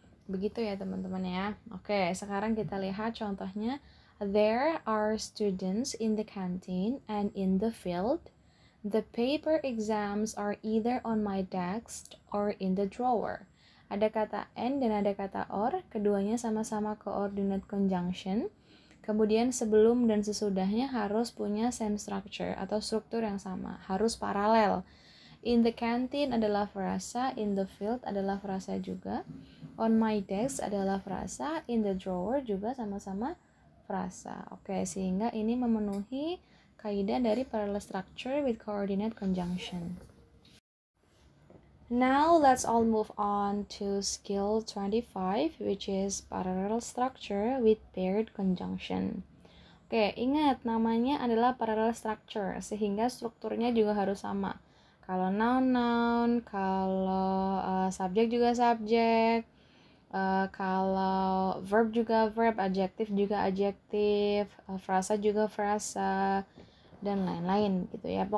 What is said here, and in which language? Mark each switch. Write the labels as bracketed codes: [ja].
[id] Begitu ya teman-teman ya. Oke, sekarang kita lihat contohnya. [en] There are students in the canteen and in the field. The paper exams are either on my desk or in the drawer. [id] Ada kata and dan ada kata or. Keduanya sama-sama coordinate conjunction. Kemudian sebelum dan sesudahnya harus punya same structure atau struktur yang sama. Harus paralel. In the canteen adalah frasa, in the field adalah frasa juga. On my desk adalah frasa, in the drawer juga sama-sama frasa. Oke, sehingga ini memenuhi kaidah dari parallel structure with coordinate conjunction. [en] Now let's all move on to skill 25, which is parallel structure with paired conjunction. [id] Oke, ingat namanya adalah parallel structure, sehingga strukturnya juga harus sama. Kalau noun, kalau subjek juga subjek, kalau verb juga verb, adjective juga adjective, frasa juga frasa, dan lain-lain gitu ya.